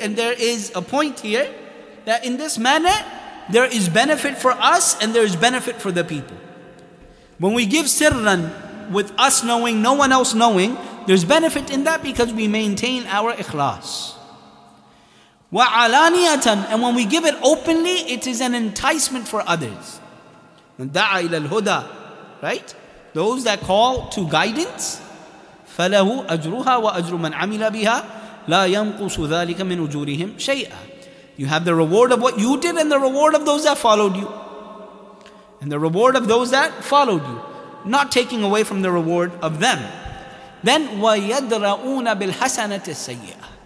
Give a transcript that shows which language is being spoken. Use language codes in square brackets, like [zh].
[en] And there is a point here that in this manner, there is benefit for us and there is benefit for the people. When we give sirran, with us knowing, no one else knowing, there's benefit in that because we maintain our ikhlas. [ar] وَعَلَانِيَةً, [en] and when we give it openly, it is an enticement for others. [ar] دَعَى إِلَى الْهُدَى, [en] right? Those that call to guidance, [ar] فَلَهُ أَجْرُهَا وَأَجْرُ مَنْ عَمِلَ بِهَا لَا يَنْقُصُ ذَلِكَ مِنْ أُجُورِهِمْ شَيْئًا. [en] You have the reward of what you did and the reward of those that followed you. And the reward of those that followed you. Not taking away from the reward of them. Then, [ar] وَيَدْرَؤُونَ بِالْحَسَنَةِ السَّيِّئَةِ.